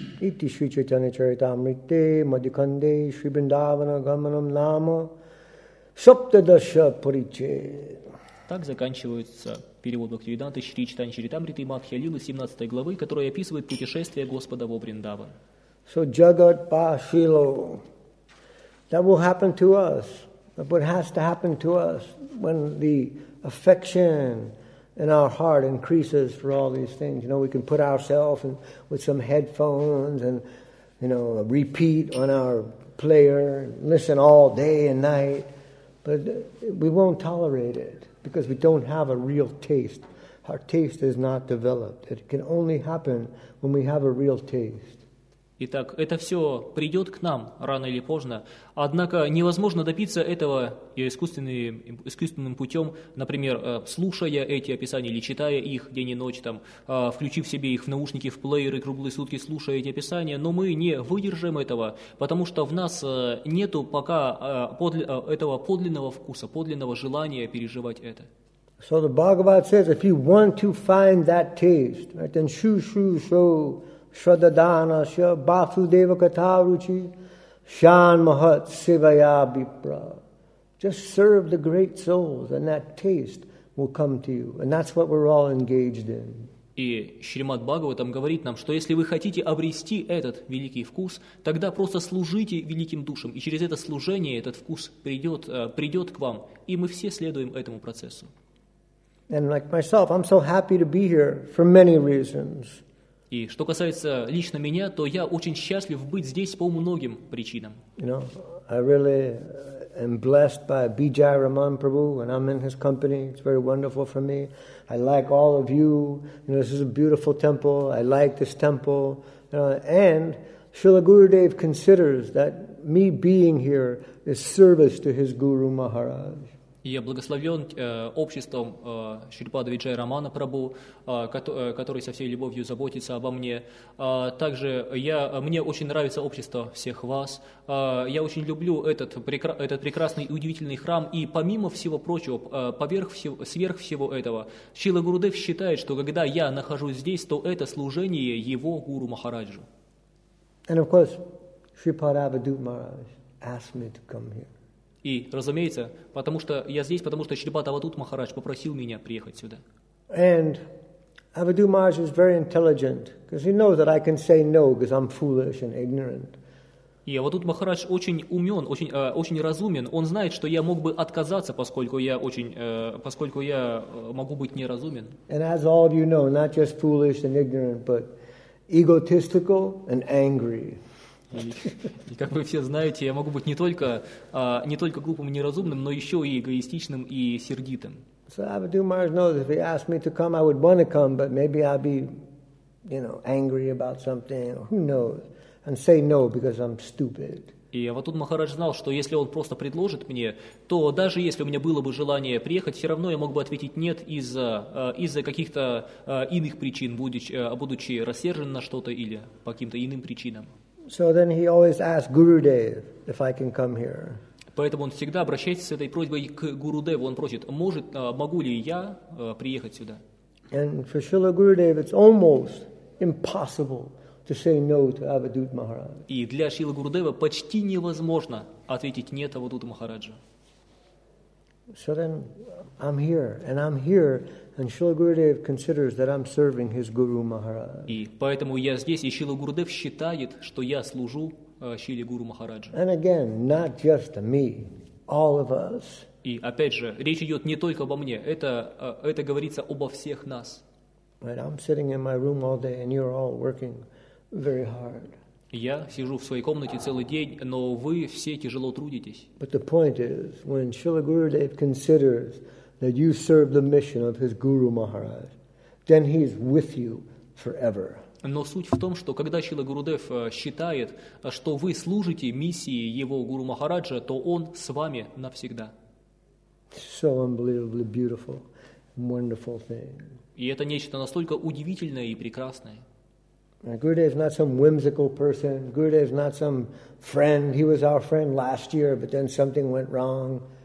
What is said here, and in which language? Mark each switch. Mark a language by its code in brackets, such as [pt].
[sa] Итти Шри Чайтанья Чаритамрите Мадиканде Шри Бриндавана Гаманам Нама Саптадаша Париче. [ru] Так заканчивается перевод Бхактивиданты Шри Чайтанья Чаритамриты и Матхи Лилы 17 главы, которая описывает путешествие Господа во Вриндаван. [en] So [bn] jagat pashilo, [en] that will happen to us, but has to happen to us when the affection in our heart increases for all these things. You know, we can put ourselves and with some headphones and, you know, repeat on our player, listen all day and night, but we won't tolerate it. Because we don't have a real taste. Our taste is not developed. It can only happen when we have a real taste. [ru] Итак, это все придет к нам рано или поздно. Однако невозможно добиться этого искусственным путем, например, слушая эти описания или читая их день и ночь, там, включив себе их в наушники, в плееры, круглые сутки слушая эти описания, но мы не выдержим этого, потому что в нас нету пока этого подлинного вкуса, подлинного желания переживать это. [en] So the Bhagavad says, if you want to find that taste, right, then [sa] Shraddhana Shya Basudeva Kataruchi Shan Mahat Sivaya Bipra. [en] Just serve the great souls and that taste will come to you. And that's what we're all engaged in. [ru] И Шримад Бхагаватам говорит нам, что если вы хотите обрести этот великий вкус, тогда просто служите великим душам, и через это служение этот вкус придет к вам, и мы все следуем этому процессу. [en] And like myself, I'm so happy to be here for many reasons. [ru] И что касается лично меня, то я очень счастлив быть здесь по многим причинам. [en] You know, I really am blessed by Bijaya Raman Prabhu, and I'm in his company. It's very wonderful for me. I like all of you. You know, this is a beautiful temple. I like this temple. And Srila Gurudev considers that me being here is service to his Guru Maharaj. [ru] Я благословен обществом Шрипада Виджая Рамана Прабу, который со всей любовью заботится обо мне. Также мне очень нравится общество всех вас. Я очень люблю этот прекрасный и удивительный храм. И помимо всего прочего, сверх всего этого, Шрила Гурудев считает, что когда я нахожусь здесь, то это служение его Гуру Махараджу. [en] And of course, Шрипада Абадут Махарадж asked me to come here. [ru] И, разумеется, потому что я здесь, потому что Шрипад Авадут Махарадж попросил меня приехать сюда. [en] And Avadhut Maharaj is very intelligent, because he knows that I can say no, because I'm foolish and ignorant. [ru] И Авадут Махарадж очень умен, очень разумен. Он знает, что я мог бы отказаться, поскольку я могу быть неразумен. [en] And as all of you know, not just foolish and ignorant, but egotistical and angry. [ru] И как вы все знаете, я могу быть не только глупым и неразумным, но еще и эгоистичным и сердитым. [en] So Abadhut Maharaj knows if he asked me to come, I would want to come, but maybe I'd be, you know, angry about something, who knows, and say no because I'm stupid. [ru] И Авадут Махарадж знал, что если он просто предложит мне, то даже если у меня было бы желание приехать, все равно я мог бы ответить нет из-за каких-то иных причин, будучи рассержен на что-то или по каким-то иным причинам. [en] So then he always asks Gurudev if I can come here. [ru] Поэтому он всегда обращается с этой просьбой к Гурудеву. Он просит, могу ли я приехать сюда? [en] And for Srila Gurudev, it's almost impossible to say no to Avadhut Maharaj. [ru] И для Шрилы Гурудева почти невозможно ответить нет Авадхуту Махараджу. [en] So then I'm here, and I'm here. And Srila Gurudev considers that I'm serving his Guru Maharaj. [ru] И поэтому я здесь, и Шрила Гурудев считает, что я служу Шриле Гуру Махараджу. [en] And again, not just me, all of us. [ru] И опять же, речь идет не только обо мне, это говорится обо всех нас. [en] Right, I'm sitting in my room all day, and you're all working very hard. [ru] Я сижу в своей комнате целый день, но вы все тяжело трудитесь. [en] But the point is, when Srila Gurudev considers that you serve the mission of his Guru Maharaj, then he is with you forever. [ru] Но суть в том, что когда Шрила Гурудев считает, что вы служите миссии его Гуру Махараджа, то он с вами навсегда. [en] So unbelievably beautiful, wonderful thing. [ru] И это нечто настолько удивительное и прекрасное. [en] Gurudev is not some whimsical person. Gurudev is not some friend. He was our friend last year, but then something went wrong.